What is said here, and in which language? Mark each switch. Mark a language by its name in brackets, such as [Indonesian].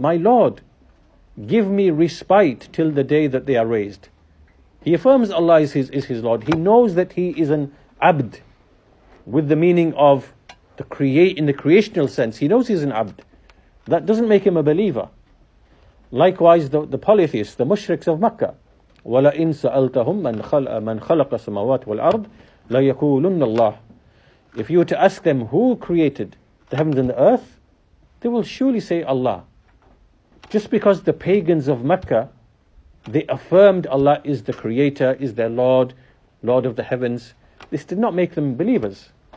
[English] My Lord, give me respite till the day that they are raised. He affirms Allah is his Lord. He knows that he is an abd, with the meaning of the create in the creational sense. He knows he's an abd. That doesn't make him a believer. Likewise, the polytheists, the mushriks of Mecca, [Arabic] وَلَا إِن سَأَلْتَهُمْ مَنْ خَلَقَ السَّمَاوَاتِ وَالْأَرْضِ لَيَكُولُنَّ اللَّهِ. [English] If you were to ask them who created the heavens and the earth, they will surely say Allah. Just because the pagans of Mecca, they affirmed Allah is the creator, is their Lord, Lord of the heavens, this did not make them believers.